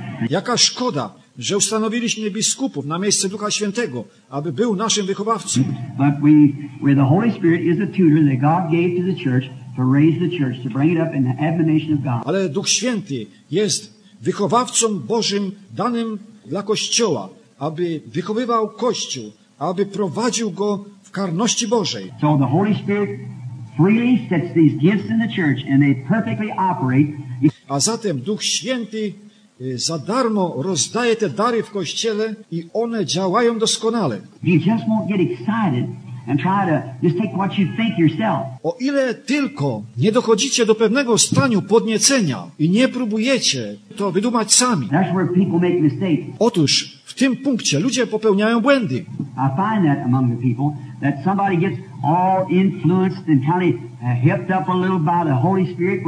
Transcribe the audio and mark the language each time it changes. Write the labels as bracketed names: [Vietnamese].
[Polish] Jaka szkoda, że ustanowiliśmy biskupów na miejsce Ducha Świętego, aby był naszym wychowawcą. [English] But where the Holy Spirit is a tutor that God gave to the church to raise the church, to bring it up in the admonition of God. [Polish] Ale Duch Święty jest wychowawcą Bożym danym dla Kościoła, aby wychowywał Kościół, aby prowadził go w karności Bożej. [English] So the Holy Spirit freely sets these gifts in the church and they perfectly operate. [Polish] A zatem Duch Święty za darmo rozdaje te dary w Kościele i one działają doskonale. [English] You just won't get excited and try to just take what you think yourself. [Polish] O ile tylko nie dochodzicie do pewnego stanu podniecenia i nie próbujecie to wydumać sami. [English] That's where people make mistakes. [Polish] Otóż w tym punkcie ludzie popełniają błędy. [English] I find that among the people that somebody gets all influenced and kind of helped up a little by the Holy Spirit.